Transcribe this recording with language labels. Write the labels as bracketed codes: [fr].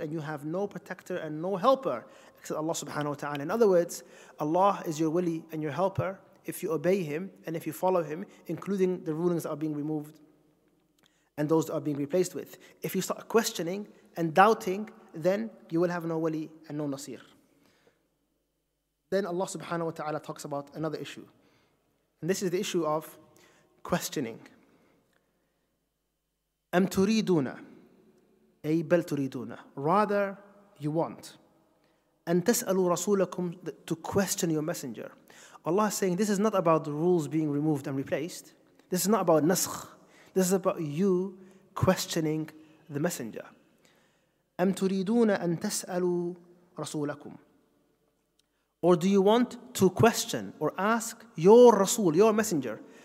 [en] And you have no protector and no helper except Allah subhanahu wa ta'ala. In other words, Allah is your wali and your helper if you obey Him and if you follow Him, including the rulings that are being removed and those that are being replaced with. If you start questioning and doubting, then you will have no wali and no nasir. Then Allah subhanahu wa ta'ala talks about another issue. And this is the issue of questioning. [ar] أَمْ تُرِيدُونَ أي بَلْ تُرِيدُونَ [en] Rather, you want [ar] أَنْ تَسْأَلُوا رَسُولَكُمْ [en] to question your messenger. Allah is saying, this is not about the rules being removed and replaced. This is not about naskh. This is about you questioning the messenger. [ar] أَمْ تُرِيدُونَ أَنْ تَسْأَلُوا رَسُولَكُمْ [en] Or do you want to question or ask your rasul, your messenger?